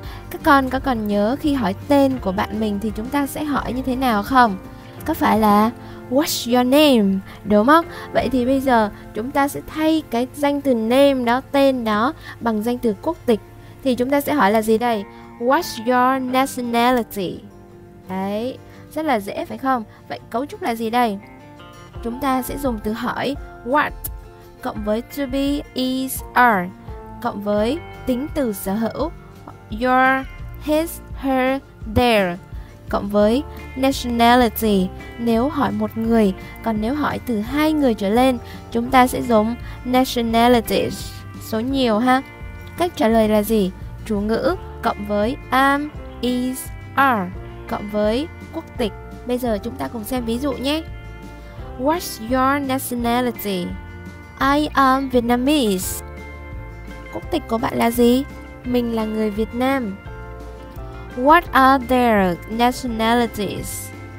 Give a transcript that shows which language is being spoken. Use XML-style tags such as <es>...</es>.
<vi>Các con có còn nhớ khi hỏi tên của bạn mình thì chúng ta sẽ hỏi như thế nào không? Có phải là</vi> <en>what's your name?</en> <vi>Đúng không? Vậy thì bây giờ chúng ta sẽ thay cái danh từ name đó, tên đó bằng danh từ quốc tịch. Thì chúng ta sẽ hỏi là gì đây?</vi> <en>What's your nationality?</en> <vi>Đấy, rất là dễ phải không? Vậy cấu trúc là gì đây? Chúng ta sẽ dùng từ hỏi what cộng với to be, is, are cộng với tính từ sở hữu your, his, her, their cộng với nationality nếu hỏi một người, còn nếu hỏi từ hai người trở lên chúng ta sẽ dùng nationalities số nhiều ha. Cách trả lời là gì? Chủ ngữ cộng với am, is, are cộng với quốc tịch. Bây giờ chúng ta cùng xem ví dụ nhé.</vi> <en>What's your nationality? I am Vietnamese.</en> <vi>Quốc tịch của bạn là gì? Mình là người Việt Nam.</vi> <en>What are their nationalities?</en>